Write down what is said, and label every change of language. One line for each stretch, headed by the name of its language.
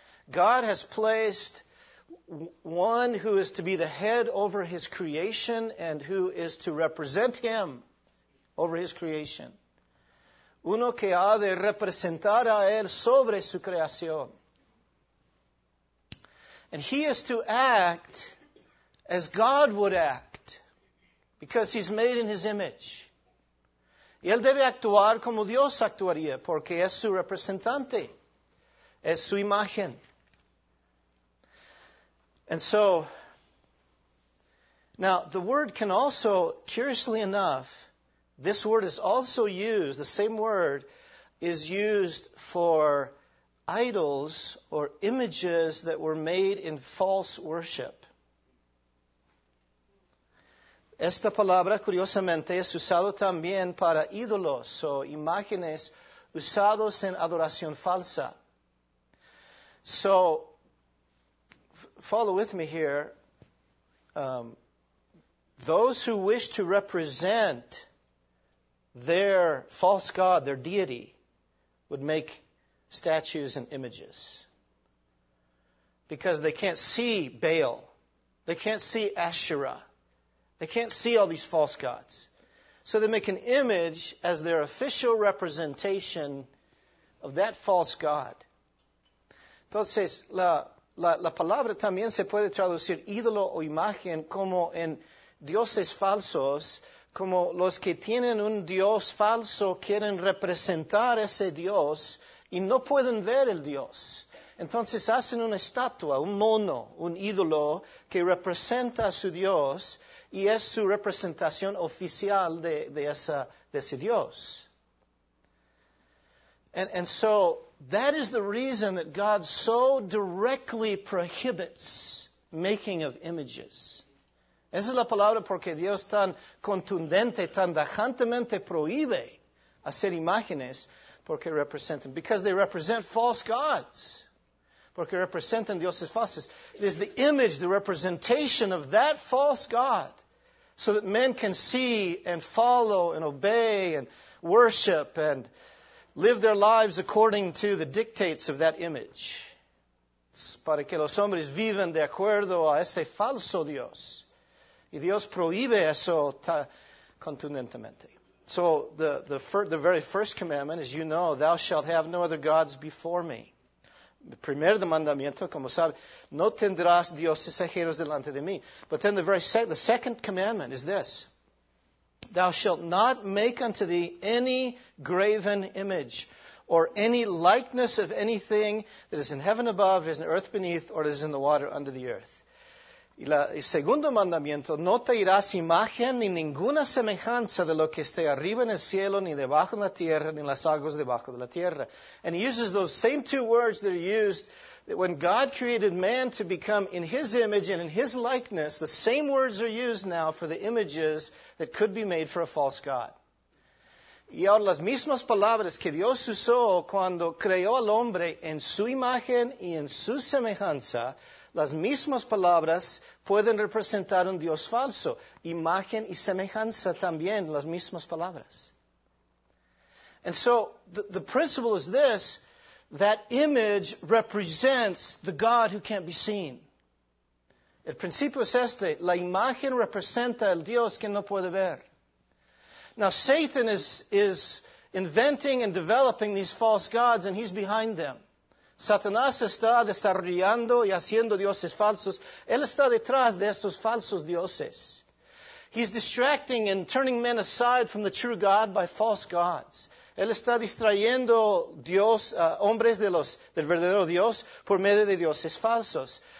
English: God has placed one who is to be the head over His creation and who is to represent Him over His creation.
Spanish: Uno que ha de representar a Él sobre su creación.
English: And He is to act as God would act, because He's made in His image.
Spanish: Y Él debe actuar como Dios actuaría, porque es su representante, es su imagen.
English: And so, now, the word can also, curiously enough, this word is also used, the same word is used for idols or images that were made in false worship.
Spanish: Esta palabra, curiosamente, es usado también para ídolos o imágenes usados en adoración falsa.
English: So, follow with me here. Those who wish to represent their false god, their deity, would make statues and images. Because they can't see Baal. They can't see Asherah. They can't see all these false gods. So they make an image as their official representation of that false god.
Spanish: Entonces, la palabra también se puede traducir ídolo o imagen como en dioses falsos, como los que tienen un dios falso quieren representar ese dios y no pueden ver el dios. Entonces hacen una estatua, un mono, un ídolo que representa a su dios, y es su representación oficial de ese Dios.
English: And so, That is the reason that God so directly prohibits making of images.
Spanish: Esa es la palabra porque Dios tan contundente, tan tajantemente prohíbe hacer imágenes porque representan.
English: Because they represent false gods.
Spanish: Porque representan dioses falsos.
English: It is the image, the representation of that false god, so that men can see and follow and obey and worship and live their lives according to the dictates of that image.
Spanish: Es para que los hombres vivan de acuerdo a ese falso Dios. Y Dios prohíbe eso contundentemente.
English: So the very first commandment, as you know, thou shalt have no other gods before me.
Spanish: El primer mandamiento, como sabe, no tendrás dioses ajenos delante de mí.
English: But then the second commandment is this. Thou shalt not make unto thee any graven image or any likeness of anything that is in heaven above, is in earth beneath, or is in the water under the earth.
Spanish: Y el segundo mandamiento, no te irás imagen ni ninguna semejanza de lo que esté arriba en el cielo, ni debajo en la tierra, ni las aguas debajo de la tierra.
English: And he uses those same two words that are used that when God created man to become in his image and in his likeness, the same words are used now for the images that could be made for a false god.
Spanish: Y ahora las mismas palabras que Dios usó cuando creó al hombre en su imagen y en su semejanza, las mismas palabras pueden representar un Dios falso. Imagen y semejanza también, las mismas palabras.
English: And so, the principle is this, that image represents the God who can't be seen.
Spanish: El principio es este, la imagen representa el Dios que no puede ver.
English: Now, Satan is inventing and developing these false gods, and he's behind them.
Spanish: Satanás está desarrollando y haciendo dioses falsos. Él está detrás de estos falsos dioses.
English: He's distracting and turning men aside from the true God by false gods.
Spanish: Él está distrayendo hombres del verdadero Dios por medio de dioses falsos.